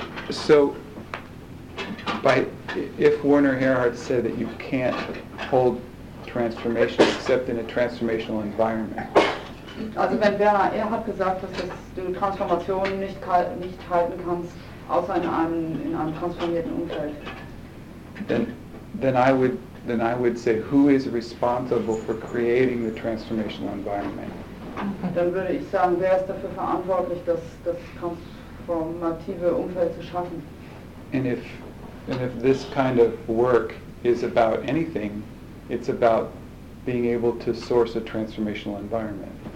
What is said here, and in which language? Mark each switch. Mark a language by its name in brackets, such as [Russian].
[English] So, by if Werner Erhard said that you can't hold transformation except in a transformational environment. [German] Also wenn Werner Erhard gesagt hat, dass du Transformation nicht halten kannst, außer in einem transformierten Umfeld. [English] Then I would say, who is responsible for creating the transformational environment? [German] Dann würde ich sagen, wer ist dafür verantwortlich, das transformative Umfeld zu schaffen? [English] And if this kind of work is about anything, it's about being able to source a transformational environment.